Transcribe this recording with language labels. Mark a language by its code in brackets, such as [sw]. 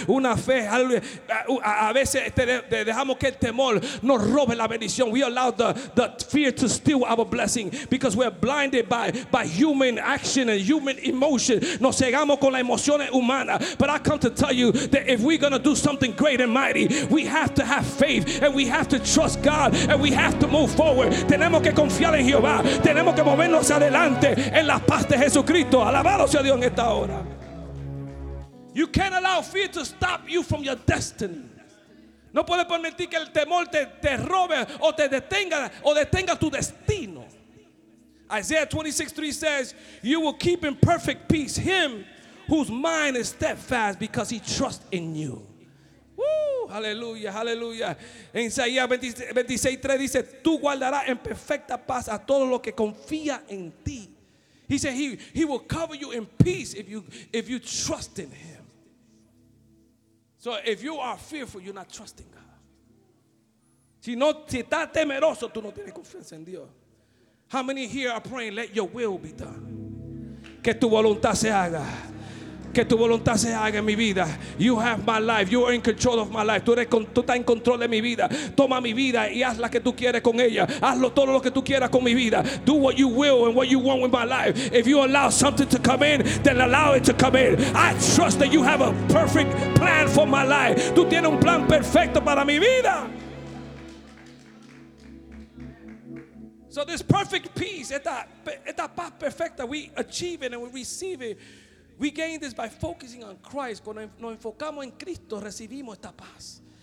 [es] Una fe, hallelujah. A veces dejamos que el temor nos robe la bendición. [en] We allow the fear to steal our blessing because we're blinded by human action and human emotion. [es] Nos cegamos con las emociones humanas. [en] But I come to tell you that if we're going to do something great and mighty, we have to have faith and we have to trust God. And we have to move forward. [es] Tenemos que confiar en Jehová. Tenemos que movernos adelante en la paz de Jesucristo. Alabado sea Dios en esta hora. [en] You can't allow fear to stop you from your destiny. [es] No puedes permitir que el temor te robe o te detenga o detenga tu destino. [en] Isaiah 26:3 says, "You will keep in perfect peace him whose mind is steadfast because he trusts in you." Hallelujah, hallelujah. [es] En Isaías 26:3 dice, tú guardarás en perfecta paz a todo lo que confía en ti. [en] He said he will cover you in peace if you trust in him. So if you are fearful, you're not trusting God. Si estás temeroso, tú no tienes confianza en Dios. How many here are praying, let your will be done? [es] Que tu voluntad se haga. Que tu voluntad se haga en mi vida. [en] You have my life. You are in control of my life. [es] Tú estás en control de mi vida. Toma mi vida y haz la que tú quieres con ella. Hazlo todo lo que tú quieras con mi vida. [en] Do what you will and what you want with my life. If you allow something to come in, then allow it to come in. I trust that you have a perfect plan for my life. [es] Tú tienes un plan perfecto para mi vida. [en] So this perfect peace, [es] esta paz perfecta, [en] we achieve it and we receive it. We gain this by focusing on Christ. [es] Cuando nos enfocamos en Cristo, recibimos esta paz.